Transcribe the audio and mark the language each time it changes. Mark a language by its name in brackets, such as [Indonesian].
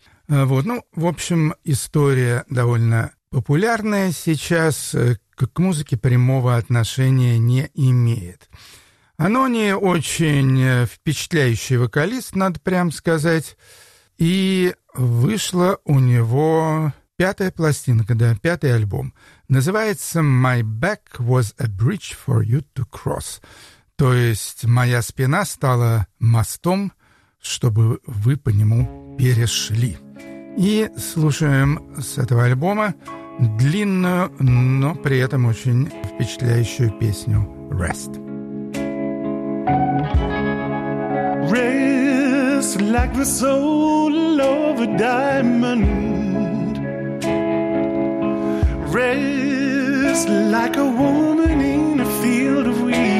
[Russian] Вот, ну, в общем, история довольно популярная сейчас, к музыке прямого отношения не имеет. Анони очень впечатляющий вокалист, надо прям сказать. И вышла у него пятая пластинка, да, пятый альбом. Называется [English] «My back was a bridge for you to cross». [Russian] То есть «Моя спина стала мостом, чтобы вы по нему перешли». И слушаем с этого альбома длинную, но при этом очень впечатляющую песню «Rest». [English] Rest like the soul of a diamond. Rest like a woman in a field of wheat.